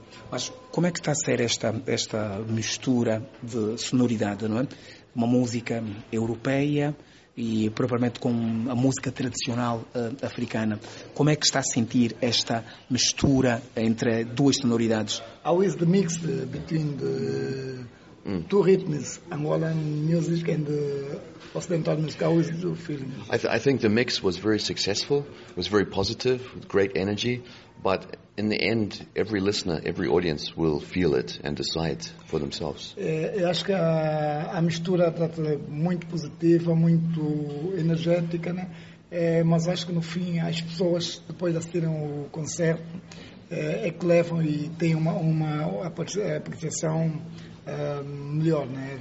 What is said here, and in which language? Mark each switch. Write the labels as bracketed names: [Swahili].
[Portuguese] Mas como é que está a ser esta mistura de sonoridade, não é? Uma música europeia e propriamente com a música tradicional africana. Como é que está a sentir esta mistura entre duas sonoridades? [English] How is the mix between the two rhythms, Angolan music and the Occidental music? How is the feeling? I think the mix was very successful, was very positive, with great energy, but in the end, every listener, every audience will feel it and decide for themselves. [Portuguese] Eu acho que a mistura está muito positiva, muito energética, né? Mas acho que no fim as pessoas, depois de assistirem o concerto, é que levam e têm uma apreciação melhor, né?